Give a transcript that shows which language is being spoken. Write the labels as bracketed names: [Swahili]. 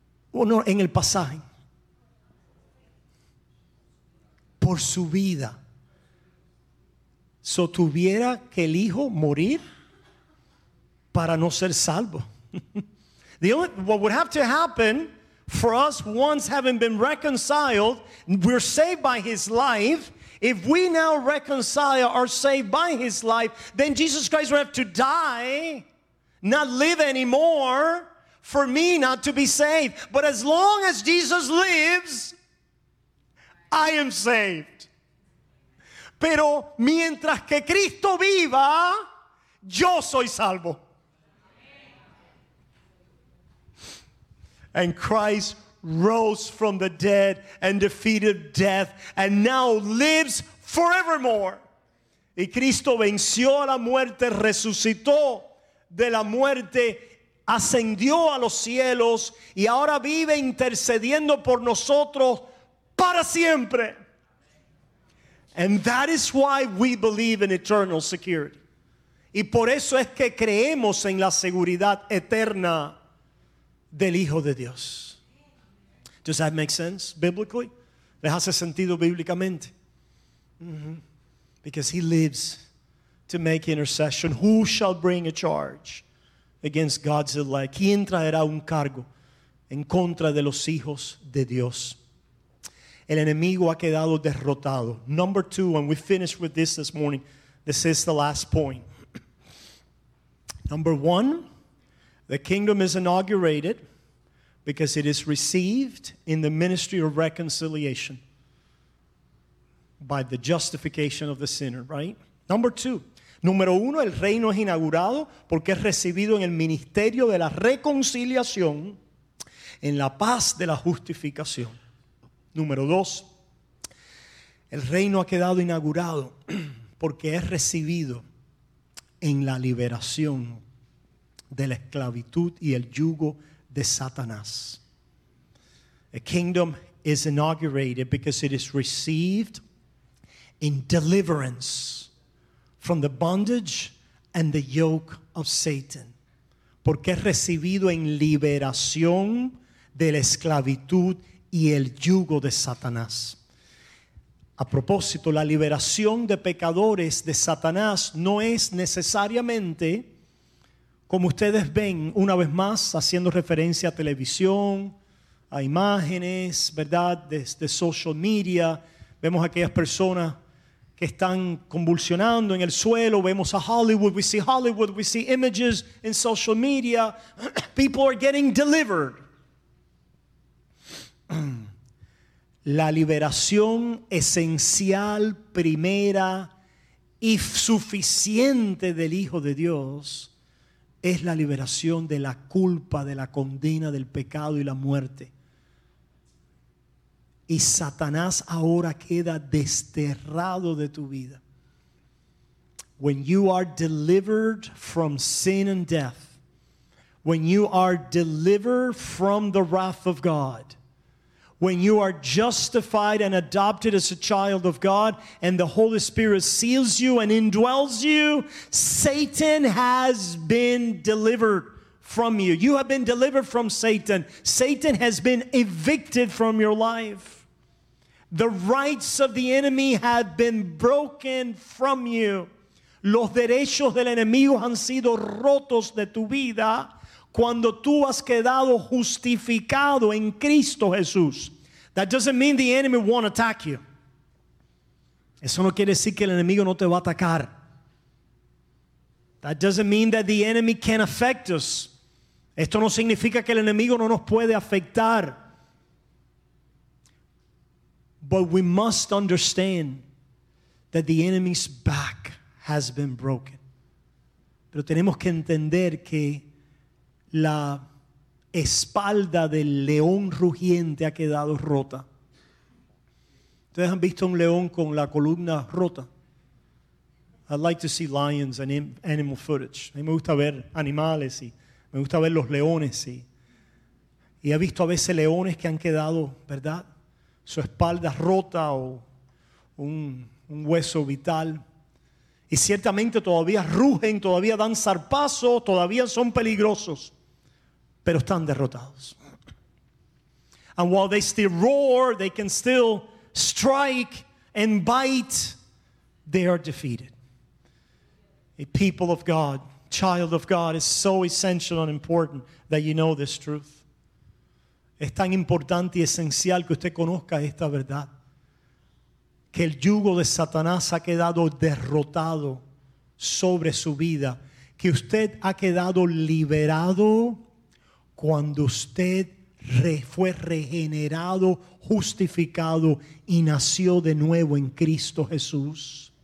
[Spanish] Bueno, en el pasaje. Por por su vida. So, tuviera que el hijo morir para no ser salvo. [English] The only, what would have to happen for us once having been reconciled, we're saved by his life. If we now reconcile, are saved by his life, then Jesus Christ would have to die, not live anymore, for me not to be saved. But as long as Jesus lives, I am saved. [Spanish] Pero mientras que Cristo viva, yo soy salvo. [English] And Christ rose from the dead and defeated death and now lives forevermore. [Spanish] Y Cristo venció a la muerte, resucitó de la muerte, ascendió a los cielos y ahora vive intercediendo por nosotros para siempre. [English] And that is why we believe in eternal security. [Spanish] Y por eso es que creemos en la seguridad eterna del Hijo de Dios. [English] Does that make sense biblically? [Spanish] ¿Les hace sentido bíblicamente? Mm-hmm. [English] Because he lives to make intercession. Who shall bring a charge against God's elect? [Spanish] ¿Quién traerá un cargo en contra de los hijos de Dios? El enemigo ha quedado derrotado. [English] Number two, and we finished with this morning. This is the last point. Number one, the kingdom is inaugurated because it is received in the ministry of reconciliation by the justification of the sinner, right? Number two. [Spanish] Número uno, el reino es inaugurado porque es recibido en el ministerio de la reconciliación, en la paz de la justificación. Número dos, el reino ha quedado inaugurado porque es recibido en la liberación de la esclavitud y el yugo de Satanás. [English] A kingdom is inaugurated because it is received in deliverance from the bondage and the yoke of Satan. [Spanish] Porque es recibido en liberación de la esclavitud y el yugo de Satanás. A propósito, la liberación de pecadores de Satanás no es necesariamente, como ustedes ven, una vez más, haciendo referencia a televisión, a imágenes, ¿verdad?, de social media. Vemos a aquellas personas que están convulsionando en el suelo. Vemos a Hollywood. [English] We see Hollywood. We see images in social media. People are getting delivered. [Spanish] La liberación esencial, primera y suficiente del Hijo de Dios es la liberación de la culpa, de la condena, del pecado y la muerte. Y Satanás ahora queda desterrado de tu vida. [English] When you are delivered from sin and death, when you are delivered from the wrath of God, when you are justified and adopted as a child of God and the Holy Spirit seals you and indwells you, Satan has been delivered from you. You have been delivered from Satan. Satan has been evicted from your life. The rights of the enemy have been broken from you. [Spanish] Los derechos del enemigo han sido rotos de tu vida cuando tú has quedado justificado en Cristo Jesús. [English] That doesn't mean the enemy won't attack you. [Spanish] Eso no quiere decir que el enemigo no te va a atacar. [English] That doesn't mean that the enemy can't affect us. [Spanish] Esto no significa que el enemigo no nos puede afectar. [English] But we must understand that the enemy's back has been broken. [Spanish] Pero tenemos que entender que la espalda del león rugiente ha quedado rota. ¿Ustedes han visto un león con la columna rota? [English] I like to see lions and animal footage. [Spanish] A mí me gusta ver animales y me gusta ver los leones. Y he visto a veces leones que han quedado, ¿verdad?, su espalda rota o un hueso vital. Y ciertamente todavía rugen, todavía dan zarpazos, todavía son peligrosos. Pero están derrotados. [English] And while they still roar, they can still strike and bite, they are defeated. A people of God, child of God, is so essential and important that you know this truth. [Spanish] Es tan importante y esencial que usted conozca esta verdad. Que el yugo de Satanás ha quedado derrotado sobre su vida. Que usted ha quedado liberado cuando usted fue regenerado, justificado y nació de nuevo en Cristo Jesús.